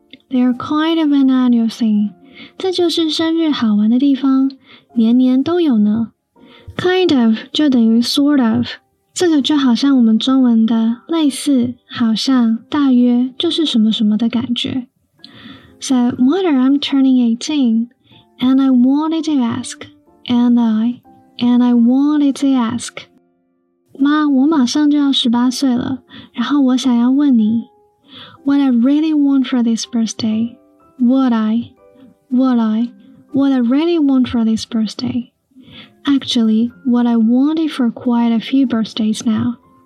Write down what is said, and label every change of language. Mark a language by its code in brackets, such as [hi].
[en] They're kind of an annual thing. [zh] 这就是生日好玩的地方，年年都有呢。 [en] Kind of [zh] 就等于 [en] sort of， [zh] 这个就好像我们中文的类似、好像、大约，就是什么什么的感觉。 [en] So, Mother, I'm turning 18. And I wanted to ask. [zh] 妈，我马上就要18岁了，然后我想要问你。 [en] What I really want for this birthday. What I really want for this birthday. Actually, what I wanted for quite a few birthdays now.